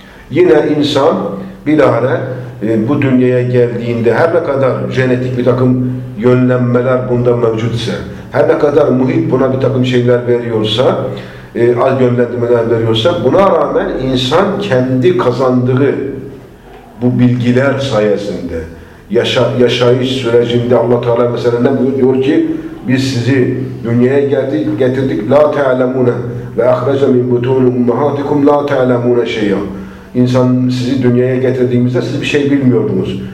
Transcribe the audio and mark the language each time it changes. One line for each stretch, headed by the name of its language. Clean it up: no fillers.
Turkish: Yine insan bilahare bu dünyaya geldiğinde her ne kadar genetik bir takım yönlenmeler bunda mevcut ise, her ne kadar muhit buna bir takım şeyler veriyorsa, az yönlendirmeler veriyorsa, buna rağmen insan kendi kazandığı bu bilgiler sayesinde, yaşayış sürecinde Allah Teala mesela ne buyuruyor? Diyor ki, biz sizi dünyaya getirdik,
Arabic: لَا تَعْلَمُونَ وَاَخْرَجَ مِنْ بُتُونُ اُمَّهَاتِكُمْ لَا تَعْلَمُونَ شَيْئًا
Turkish: İnsan sizi dünyaya getirdiğimizde siz bir şey bilmiyordunuz.